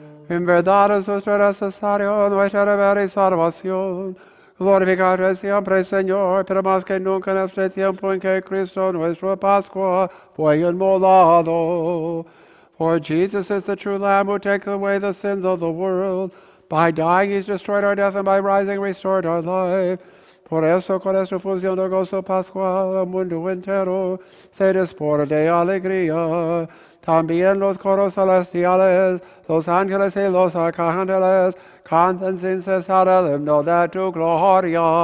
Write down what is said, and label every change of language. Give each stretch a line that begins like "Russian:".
Spanish: En verdad es justo y necesario nuestro deber y salvación. Glorificado siempre, Señor, pero más que nunca en este tiempo en que Cristo, nuestro Pascua, fue inmolado.
English: For Jesus is the true Lamb who takes away the sins of the world. By dying, he's destroyed our death, and by rising, restored our life.
Spanish: Por eso, con esta función de gozo pascual, el mundo entero se desborda de alegría. también los coros celestiales, los ángeles y los arcángeles, canten sin cesar el himno de tu gloria.